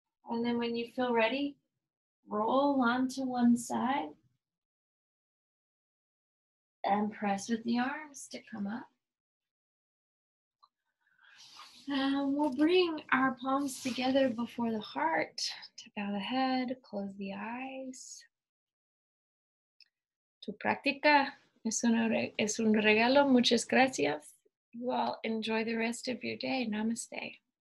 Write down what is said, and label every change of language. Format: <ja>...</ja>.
<en>And then when you feel ready, roll onto one side and press with the arms to come up. And we'll bring our palms together before the heart to bow the head, close the eyes.</en> <es>Tu práctica es un regalo. Muchas gracias.</es> <en>You all enjoy the rest of your day. Namaste.</en>